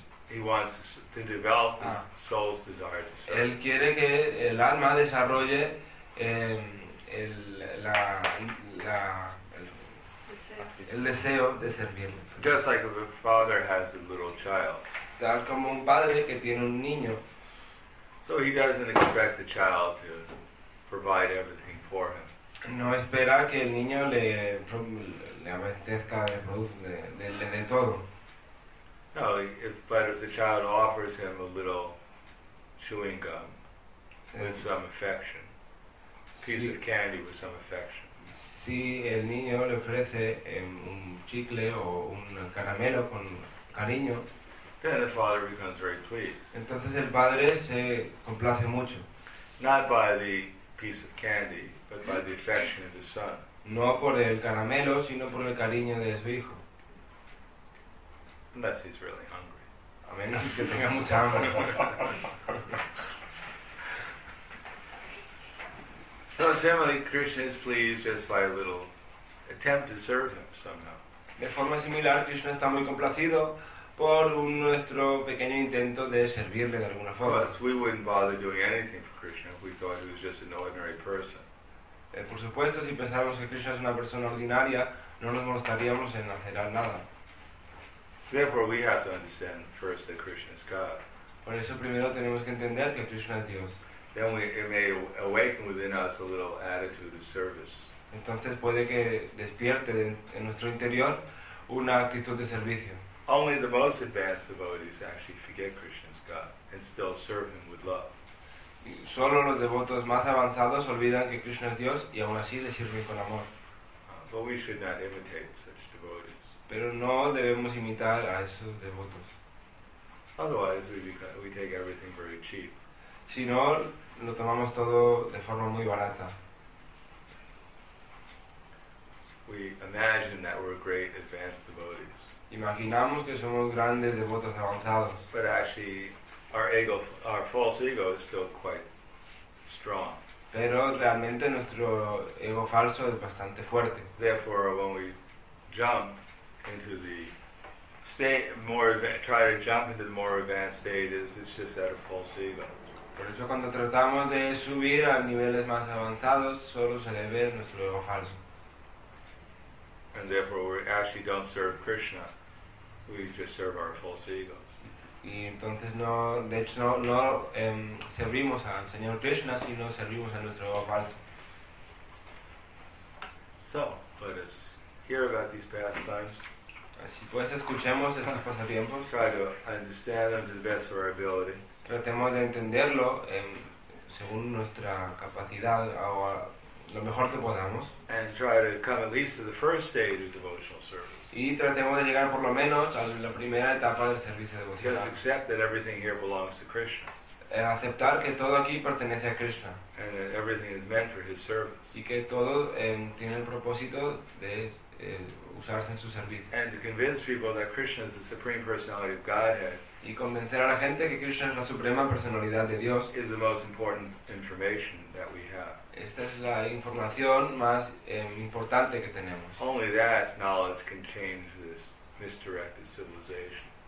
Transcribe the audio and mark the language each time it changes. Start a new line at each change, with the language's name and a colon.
English: he wants to develop the soul's desire to serve.
Spanish: Él quiere que el alma desarrolle el deseo de servir.
English: Just like if a father has a little child.
Spanish: Tal como un padre que tiene un niño.
English: So he doesn't expect the child to provide everything for him.
Spanish: No espera que el niño le abastezca de todo.
English: No, but if the child offers him a little chewing gum with some affection, piece of candy with some affection.
Spanish: Si el niño le ofrece un chicle o un caramelo con cariño,
English: then the father becomes very pleased.
Spanish: Entonces el padre se complace mucho.
English: Not by the piece of candy, but by the affection of the son.
Spanish: No por el caramelo, sino por el cariño de su hijo.
English: Unless he's really hungry.
Spanish: A menos que tenga mucha hambre.
English: So similarly, Krishna is pleased just by a little attempt to serve him somehow.
Spanish: De forma similar, Krishna está muy complacido por nuestro pequeño intento de servirle de alguna forma.
English: Plus, we wouldn't bother doing anything for Krishna if we thought he was just an ordinary person.
Spanish: Por supuesto, si pensáramos que Krishna es una persona ordinaria, no nos molestaríamos en hacer nada.
English: Therefore, we have to understand first that Krishna is God.
Spanish: Por eso, primero tenemos que entender que Krishna es Dios.
English: Then it may awaken within us a little attitude of service.
Spanish: Entonces puede que despierte en nuestro interior una actitud de servicio.
English: Only the most advanced devotees actually forget Krishna's God and still serve him with love.
Spanish: Solo los devotos más avanzados olvidan que Krishna es Dios y aún así le sirven con amor.
English: But we should not imitate such devotees.
Spanish: Pero no debemos imitar a esos devotos.
English: Otherwise we take everything very cheap.
Spanish: Si no, lo tomamos todo de forma muy barata.
English: We imagine that we're great advanced devotees.
Spanish: Imaginamos que somos grandes devotos avanzados.
English: But actually, our false ego is still quite strong.
Spanish: Pero realmente nuestro ego falso es bastante fuerte.
English: Therefore, when we jump into the more advanced stages, it's just out of false ego.
Spanish: Por eso cuando tratamos de subir a niveles más avanzados, solo se debe a nuestro ego falso.
English: And therefore we actually don't serve Krishna. We just serve our false ego.
Spanish: Y entonces no servimos al Señor Krishna, sino servimos a nuestro ego falso.
English: So, let us hear about these pastimes.
Spanish: Así pues, escuchemos estos pasatiempos.
English: Try to understand them to the best of our ability.
Spanish: Tratemos de entenderlo según nuestra capacidad o lo mejor que podamos.
English: And try to come at least to the first stage of devotional service.
Spanish: Y tratemos de llegar por lo menos a la primera etapa del servicio devocional.
English: Just accept that everything here belongs to Krishna.
Spanish: Aceptar que todo aquí pertenece a Krishna.
English: And that everything is meant for his service.
Spanish: Y que todo tiene el propósito de usarse en su servicio.
English: And to convince people that Krishna is the supreme personality of Godhead.
Spanish: Y convencer a la gente que Krishna es la suprema personalidad de Dios.
English: Is the most important information that we have.
Spanish: Esta es la información más importante que tenemos.
English: Only that knowledge can change this misdirected civilization.